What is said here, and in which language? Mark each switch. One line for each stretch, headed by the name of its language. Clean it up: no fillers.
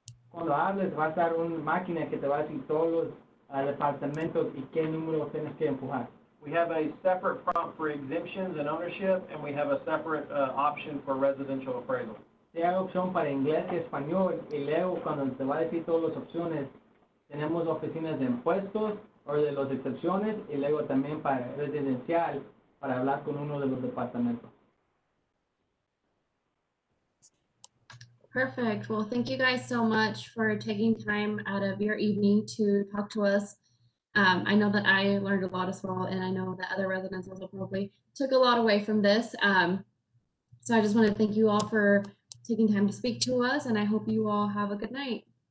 Spanish: Cuando hables, va a estar una máquina que te va a decir todos los departamentos y qué número tienes que empujar.
English: We have a separate prompt for exemptions and ownership, and we have a separate option for residential appraisal.
Spanish: Sí, hay opción para inglés y español, y luego cuando te va a decir todas las opciones, tenemos oficinas de impuestos o de las excepciones, y luego también para residencial, para hablar con uno de los departamentos.
English: Perfect. Well, thank you guys so much for taking time out of your evening to talk to us. I know that I learned a lot as well, and I know that other residents also probably took a lot away from this. So I just want to thank you all for taking time to speak to us, and I hope you all have a good night.